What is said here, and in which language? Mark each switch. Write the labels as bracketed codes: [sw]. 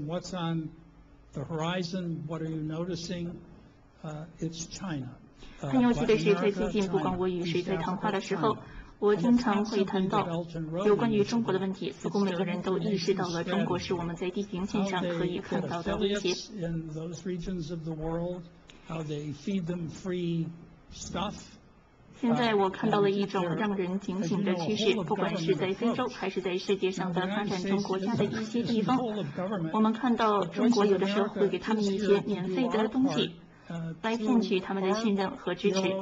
[en] The horizon. What are you noticing? It's China. [zh] 很有趣的是，在最近不管我与谁在谈话的时候，我经常会谈到有关于中国的问题。似乎每个人都意识到了中国是我们在地平线上可以看到的威胁。 [en] In those regions of the world, how they feed them free stuff. [zh] 现在我看到了一种让人警醒的趋势，不管是在非洲还是在世界上的发展中国家的一些地方，我们看到中国有的时候会给他们一些免费的东西来骗取他们的信任和支持。